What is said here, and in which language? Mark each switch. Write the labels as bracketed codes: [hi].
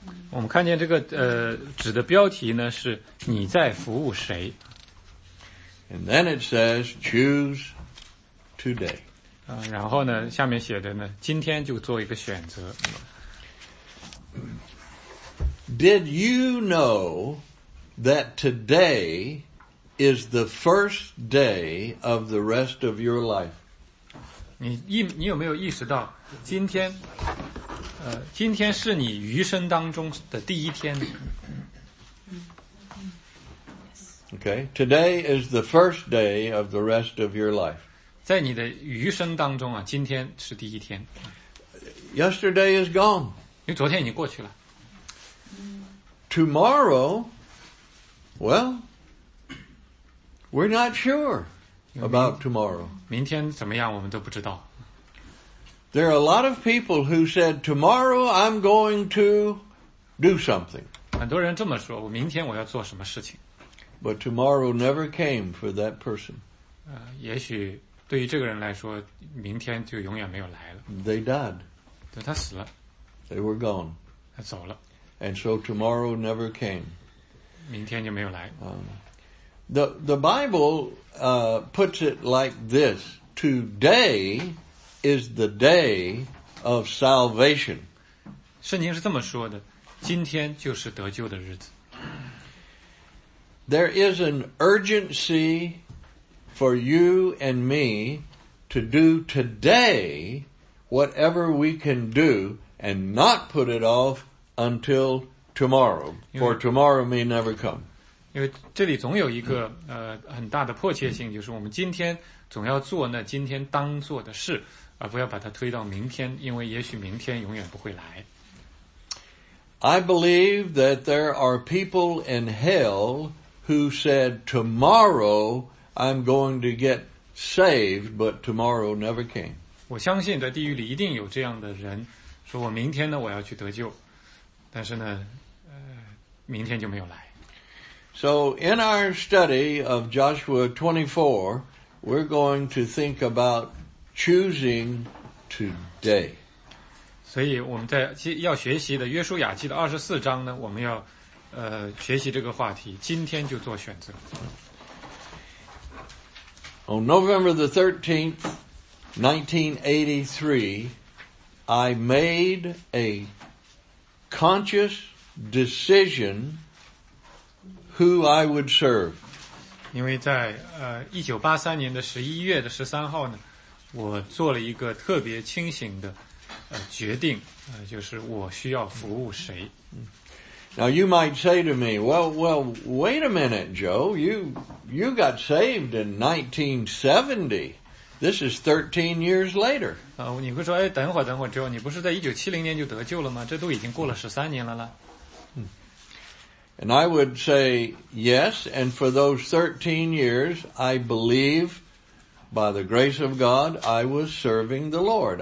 [zh] 我们看见这个纸的标题呢是你在服务谁。 [en] And then it says, choose today. [zh] 然后呢下面写的呢今天就做一个选择。 [en] Did you know that today is the first day of the rest of your life? [zh] 你有没有意识到今天是你余生当中的第一天。 [en] Okay, today is the first day of the rest of your life. [zh] 在你的余生当中啊，今天是第一天。 [en] Yesterday is gone. [zh] 因为昨天已经过去了。 [en] Tomorrow, well, we're not sure about tomorrow. [zh] 明天怎么样我们都不知道。 [en] There are a lot of people who said, tomorrow I'm going to do something. [zh] 很多人这么说，我明天我要做什么事情。 [en] But tomorrow never came for that person. [zh] 也许对于这个人来说，明天就永远没有来了。 [en] They died. [zh] 对，他死了。 [en] They were gone. [zh] 他走了。 [en] And so tomorrow never came. [zh] 明天就没有来。 [en] The Bible puts it like this. Today is the day of salvation. [zh] 圣经是这么说的，今天就是得救的日子。 [en] There is an urgency for you and me to do today whatever we can do and not put it off until tomorrow. For tomorrow may never come. [zh] 因为这里总有一个很大的迫切性，就是我们今天总要做那今天当做的事，而不要把它推到明天，因为也许明天永远不会来。 [en] I believe that there are people in hell who said, tomorrow I'm going to get saved, but tomorrow never came. [zh] 我相信在地狱里一定有这样的人，说我明天呢我要去得救，但是呢明天就没有来。 [en] So in our study of Joshua 24, we're going to think about choosing today. [zh] 所以我们在要学习的约书亚记的24章呢，我们要学习这个话题，今天就做选择。 [en] On November the 13th, 1983, I made a conscious decision who I would serve. [zh] 因为在1983年的11月的13号呢，我做了一个特别清醒的决定，就是我需要服务谁。 [en] Now you might say to me, well, wait a minute, Joe, you got saved in 1970. This is 13 years later. [zh] 你会说，哎，等会儿 Joe, 你不是在1970年就得救了吗？这都已经过了13年了啦。 [en] And I would say, yes, and for those 13 years, I believe, by the grace of God, I was serving the Lord.